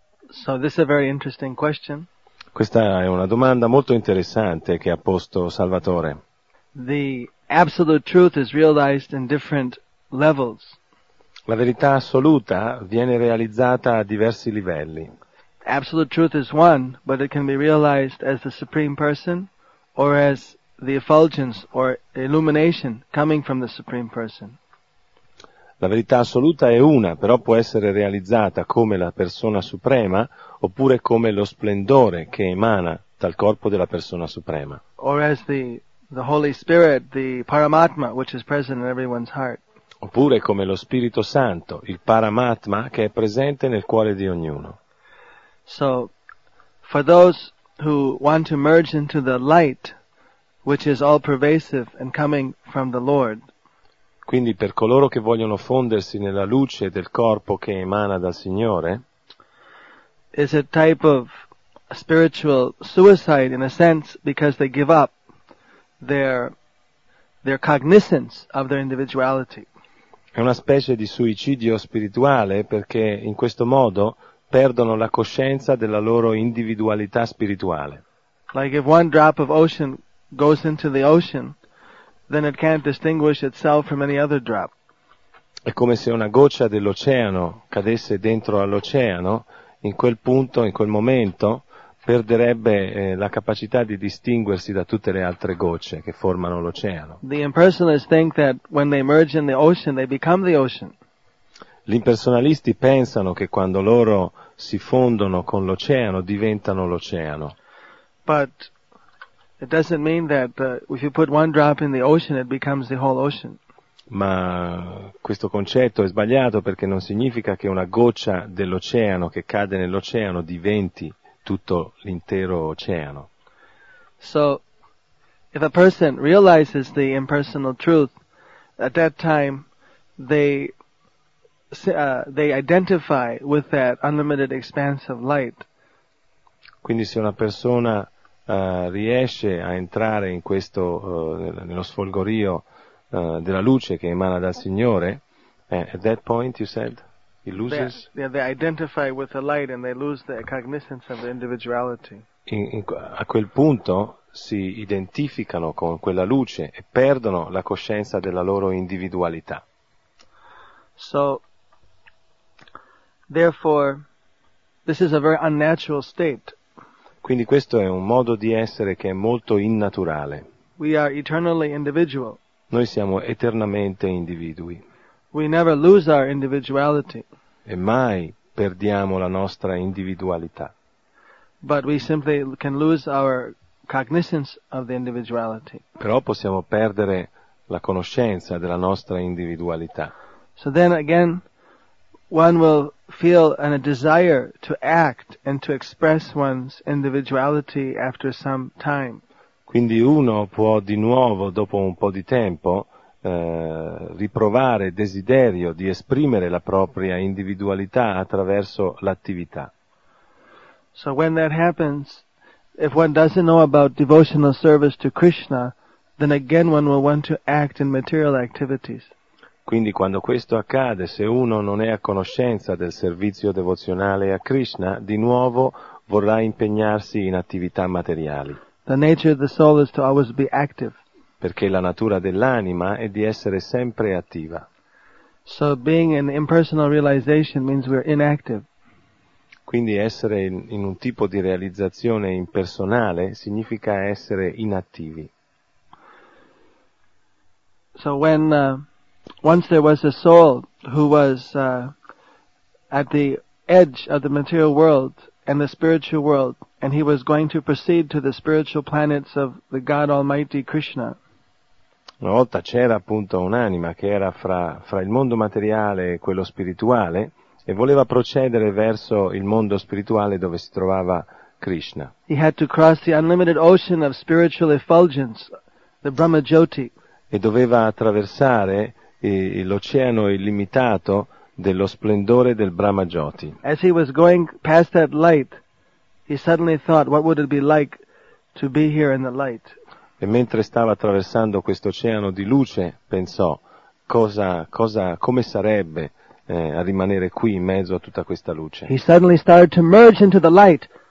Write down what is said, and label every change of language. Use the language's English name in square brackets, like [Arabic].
[English] So this is a very interesting question. [Italian] Questa è una domanda molto interessante che ha posto Salvatore. [English] The absolute truth is realized in different levels. [Italian] La verità assoluta viene realizzata a diversi livelli. [English] Absolute truth is one, but it can be realized as the Supreme Person or as the effulgence or illumination coming from the Supreme Person. [Italian] La verità assoluta è una, però può essere realizzata come la persona suprema oppure come lo splendore che emana dal corpo della persona suprema. [English] Or as the Holy Spirit, the Paramatma, which is present in everyone's heart. [Italian] Oppure come lo Spirito Santo, il Paramatma, che è presente nel cuore di ognuno. [English] So, for those who want to merge into the light, which is all pervasive and coming from the Lord. [Italian] Quindi per coloro che vogliono fondersi nella luce del corpo che emana dal Signore. [English] Is a type of spiritual suicide in a sense because they give up their cognizance of their individuality. [Italian] È una specie di suicidio spirituale perché in questo modo perdono la coscienza della loro individualità spirituale. [English] Like if one drop of ocean goes into the ocean, then it can't distinguish itself from any other drop. [Italian] È come se una goccia dell'oceano cadesse dentro all'oceano, in quel punto, in quel momento, perderebbe la capacità di distinguersi da tutte le altre gocce che formano l'oceano. [English] The impersonalists think that when they merge in the ocean, they become the ocean. [Italian] Gli impersonalisti pensano che quando loro si fondono con l'oceano diventano l'oceano. [English] But it doesn't mean that if you put one drop in the ocean it becomes the whole ocean. [Italian] Ma questo concetto è sbagliato perché non significa che una goccia dell'oceano che cade nell'oceano diventi tutto l'intero oceano. [English] So if a person realizes the impersonal truth at that time they identify with that unlimited expanse of light. [Italian] Quindi se una persona riesce a entrare in questo nello sfolgorio della luce che emana dal Signore, [English] at that point you said he loses they identify with the light and they lose the cognizance of the individuality. [Italian] A quel punto si identificano con quella luce e perdono la coscienza della loro individualità. [English] So therefore, this is a very unnatural state. [Italian] Quindi questo è un modo di essere che è molto innaturale. [English] We are eternally individual. [Italian] Noi siamo eternamente individui. [English] We never lose our individuality. [Italian] E mai perdiamo la nostra individualità. [English] But we simply can lose our cognizance of the individuality. [Italian] Però possiamo perdere la conoscenza della nostra individualità. [English] So then again, one will feel a desire to act and to express one's individuality after some time. [Italian] Quindi uno può di nuovo, dopo un po' di tempo, riprovare desiderio di esprimere la propria individualità attraverso l'attività. [English] So when that happens, if one doesn't know about devotional service to Krishna, then again one will want to act in material activities. [Italian] Quindi quando questo accade, se uno non è a conoscenza del servizio devozionale a Krishna, di nuovo vorrà impegnarsi in attività materiali. [English] The nature of the soul is to always be active. [Italian] Perché la natura dell'anima è di essere sempre attiva. [English] So being an impersonal realization means we're inactive. [Italian] Quindi essere in un tipo di realizzazione impersonale significa essere inattivi. [English] So when once there was a soul who was at the edge of the material world and the spiritual world, and he was going to proceed to the spiritual planets of the God Almighty Krishna. [Italian] Una volta c'era appunto un'anima che era fra il mondo materiale e quello spirituale e voleva procedere verso il mondo spirituale dove si trovava Krishna. [English] He had to cross the unlimited ocean of spiritual effulgence, the Brahma Jyoti. [Italian] E doveva attraversare l'oceano illimitato dello splendore del Brahma Jyoti. [English] As he was going past that light, he suddenly thought, what would it be like to be here in the light? [Italian] E mentre stava attraversando questo oceano di luce, pensò, come sarebbe a rimanere qui in mezzo a tutta questa luce. [English] He suddenly started to merge into the light.